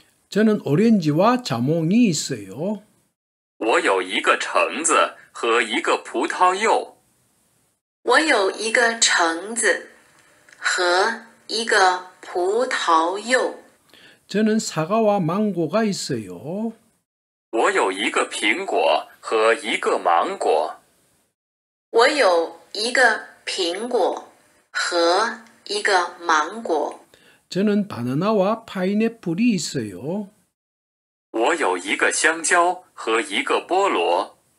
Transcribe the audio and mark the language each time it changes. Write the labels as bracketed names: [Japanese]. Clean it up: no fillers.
[Korean] 저는 오렌지와 자몽이 있어요. [Chinese] 我有一个橙子和一个葡萄柚。我有一个橙子和一个葡萄柚。 [Korean] 저는 사과와 망고가 있어요. [Chinese] 我有一个苹果和一个芒果。我有一个苹果和一个芒果。 [Korean] 저는 바나나와 파인애플이 있어요. [Chinese] 我有一个香蕉和一个菠萝。